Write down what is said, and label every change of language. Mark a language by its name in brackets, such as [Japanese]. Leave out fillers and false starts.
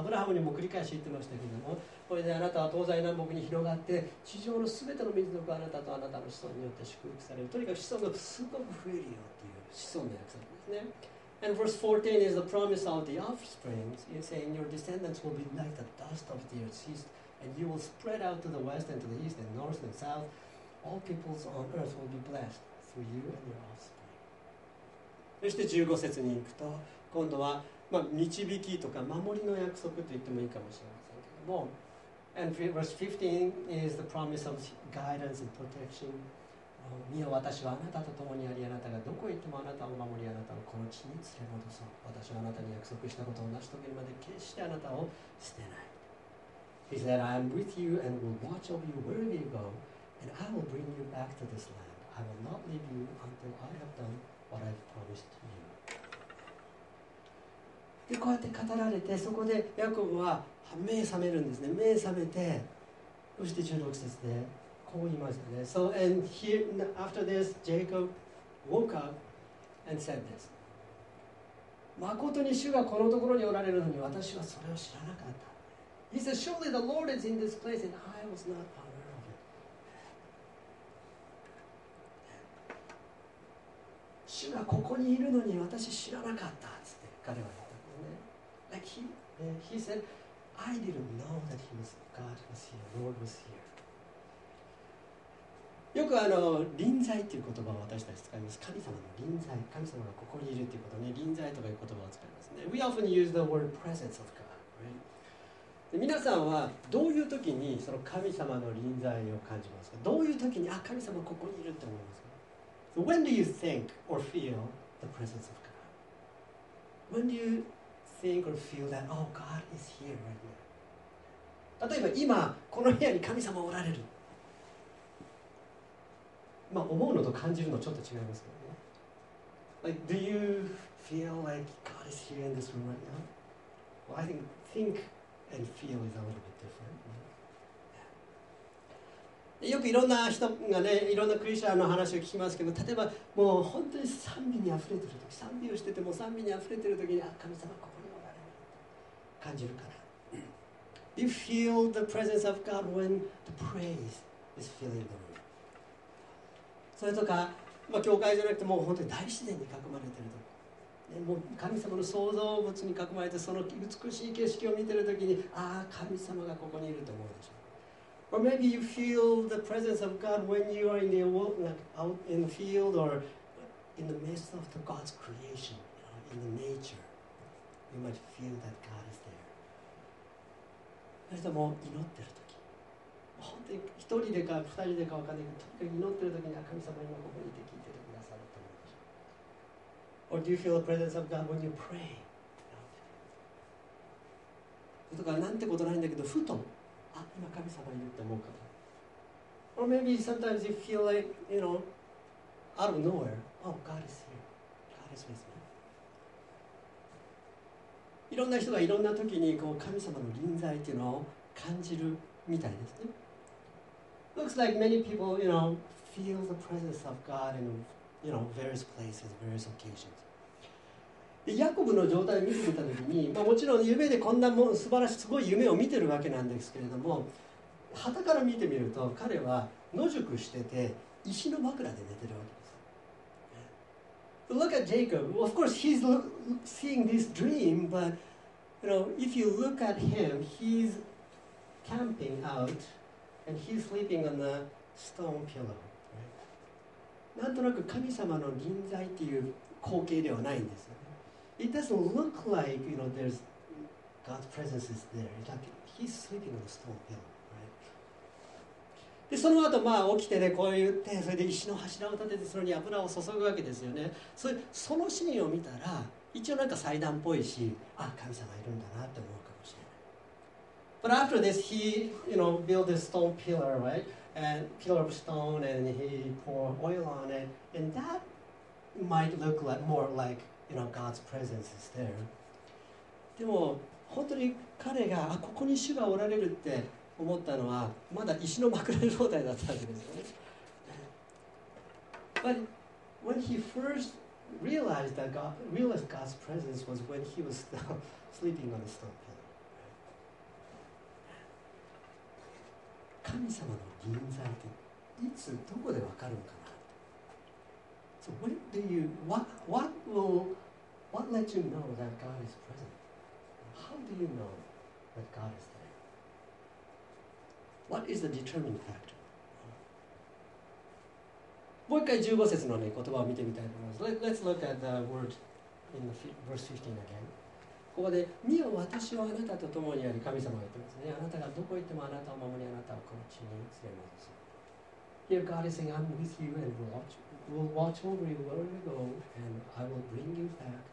[Japanese] アブラハムにも繰り返し言ってましたけども、これであなたは東西南北に広がって、地上のすべての民族はあなたとあなたの子孫によって祝福される。とにかく子孫がすごく増えるよっていう子孫の約束ですね。 [English] And verse 14 is the promise of the offspring, saying your descendants will be like the dust of the earth, and you will spread out to the west and to the east and north and south. All peoples on earth will be blessed through you and your offspring. [Japanese] そして15節に行くと、今度は、まあ、導きとか守りの約束と言ってもいいかもしれませんけども。 [English] And verse 15 is the promise of guidance and protection. [Japanese] 見よ、私はあなたと共にあり、あなたがどこへ行ってもあなたを守り、あなたをこの地に連れ戻そう。私はあなたに約束したことを成し遂げるまで決してあなたを捨てない。 [English] He said, I am with you and will watch over you wherever you go, and I will bring you back to this land. I will not leave you until I have done what I've promised you. [Japanese] で、こうやって語られて、そこでヤコブは目覚めるんですね。目覚めて、そして16節で、こう言いましたね。 [English] So, and here, after this, Jacob woke up and said this. [Japanese] 誠に主がこのところにおられるのに私はそれを知らなかった。 [English] He said, surely the Lord is in this place and I was not aware of it. [Japanese] 主がここにいるのに私知らなかった。つって彼は言ったんですね。 [English] Like he said, I didn't know that he was, God was here, Lord was here. [Japanese] よくあの臨在という言葉を私たち使います。神様の臨在、神様がここにいるということね、臨在とかいう言葉を使いますね。 [English] We often use the word presence of God, right? [Japanese] で皆さんはどういう時にその神様の臨在を感じますか？どういう時に、あ、神様ここにいると思いますか？ [English] So when do you think or feel the presence of God? When do you think or feel that, oh, God is here right now? [Japanese] 例えば今この部屋に神様おられる、まあ、思うのと感じるのちょっと違いますけどね。 [English] Like, do you feel like God is here in this room right now? Well, I think think and feel is a little bit different.、Right? Yeah. [Japanese] よくいろんな人がね、いろんなクリスチャンの話を聞きますけど、例えばもう本当に賛美にあふれてる時、賛美をしてても賛美にあふれてる時に、あ、神様ここにおられるって感じるから。 [English] You feel the presence of God when the praise is filling the room. [Japanese] それとか、まあ、教会じゃなくてもう本当に大自然に囲まれてる時、ね、もう神様の創造物に囲まれてその美しい景色を見てる時に、あ、神様がここにいると思うでしょ。 [English] Or maybe you feel the presence of God when you are in the world, like out in the field or in the midst of the God's creation, you know, in the nature. You might feel that God is there. [Japanese] それとも祈ってる時、本当に一人でか二人でか分かんないけど、とにかく祈ってる時に、神様今ここにいて聞いててくださると思うでしょ。 [English] Or do you feel the presence of God when you pray? [Japanese] とかなんてことないんだけど、ふと、あ、今神様いるって思うかも。 [English] Or maybe sometimes you feel like, you know, out of nowhere, oh, God is here. God is with me. [Japanese] いろんな人がいろんな時にこう神様の臨在っていうのを感じるみたいですね。 [English] Looks like many people, you know, feel the presence of God in, you know, various places, various occasions. [Japanese] ヤコブの状態を見てみたときに、まあ、もちろん夢でこんなも素晴らしいすごい夢を見てるわけなんですけれども、旗から見てみると彼は野宿してて石の枕で寝てるわけです。 [English] Look at Jacob. Of course he's seeing this dream, but you know, if you look at him, he's camping out and he's sleeping on a stone pillow、right? [Japanese] なんとなく神様の臨在っていう光景ではないんです。 [English] It doesn't look like, you know, there's God's presence is there. It's like he's sleeping on a stone pillow, right? [Japanese] で、その後、まあ、起きてね、こう言って、それで石の柱を立てて、それに油を注ぐわけですよね。そのシーンを見たら、一応なんか祭壇っぽいし、あ、神様いるんだなって思うかもしれない。 [English] But after this, he, you know, built a stone pillar, right? And pillar of stone, and he poured oil on it. And that might look like, more like,You know, God's presence is there. [Japanese] でも本当に彼が、あ、ここに主がおられるって思ったのはまだ石の枕状態だったわけですよね。 [English] But when he first realized that God realized God's presence was when he was still sleeping on a stone pillow. [Japanese] 神様の臨在っていつどこでわかるのかな。 [English] So when do you what will What lets you know that God is present? How do you know that God is there? What is the determining factor? [Japanese] もう一回15節の、ね、言葉を見てみたいと思います。 [English] Let's look at the word in the verse 15 again. [Japanese] ここで、見よ、私はあなたと共にあり、神様が言ってますね。あなたがどこ行ってもあなたを守り、あなたをこの地に連れ戻す。 [English] Here God is saying, I'm with you and will watch over you wherever you go and I will bring you back.